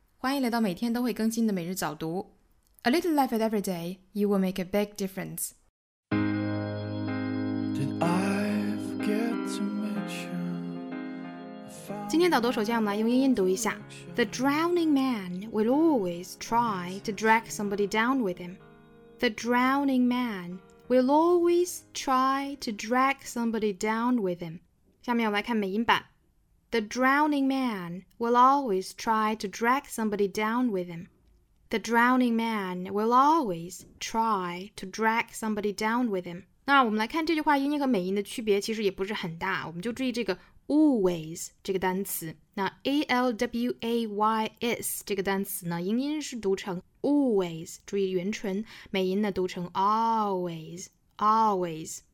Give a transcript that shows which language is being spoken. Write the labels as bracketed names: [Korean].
[Chinese] 欢迎来到每天都会更新的每日早读。 [English] A little life at every day, you will make a big difference. Did I forget to mention? [Chinese] 今天早读首先我们来用英音读一下。 [English] The drowning man will always try to drag somebody down with him. The drowning man will always try to drag somebody down with him. [Chinese] 下面我们来看美音版。 [English] The drowning man will always try to drag somebody down with him. The drowning man will always try to drag somebody down with him. [Chinese] 那我们来看这句话音译和美音的区别其实也不是很大，我们就注意这个 always 这个单词。那 A-L-W-A-Y-S 这个单词呢，英音是读成 always， 注意元唇，美音呢读成 always, always。